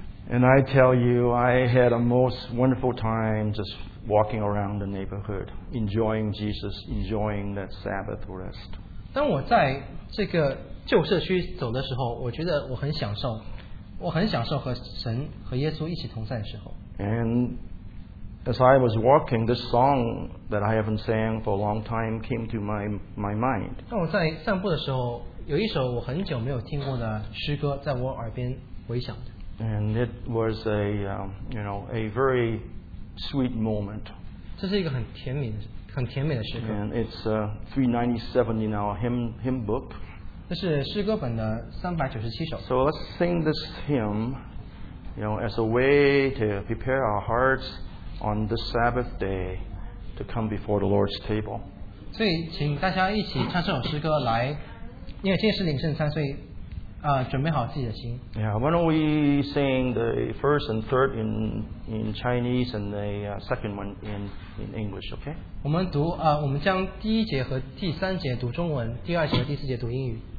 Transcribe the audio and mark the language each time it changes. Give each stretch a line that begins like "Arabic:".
English: And I tell you, I had a most wonderful time just walking around the neighborhood, enjoying Jesus, enjoying that Sabbath rest.
Chinese: 当我在这个旧社区走的时候，我觉得我很享受。我很享受和神和耶稣一起同在的时候。
English: And as I was walking, this song that I haven't sang for a long time came to my mind.
Chinese: 当我在散步的时候，有一首我很久没有听过的诗歌在我耳边回响着。
English: And it was a a very sweet moment.
Chinese: 这是一个很甜美的诗歌。
English: And it's 397 in our hymn book.
Chinese: 这是诗歌本的397首。
English: So let's sing this hymn, you know, as a way to prepare our hearts on the Sabbath day to come before the Lord's table.
Chinese: 所以请大家一起唱这首诗歌来，因为今天是领圣餐，所以准备好自己的心。
English: Yeah, why don't we sing the first and third in Chinese and the second one in English, okay?
Chinese: 我们读我们将第一节和第三节读中文，第二节和第四节读英语。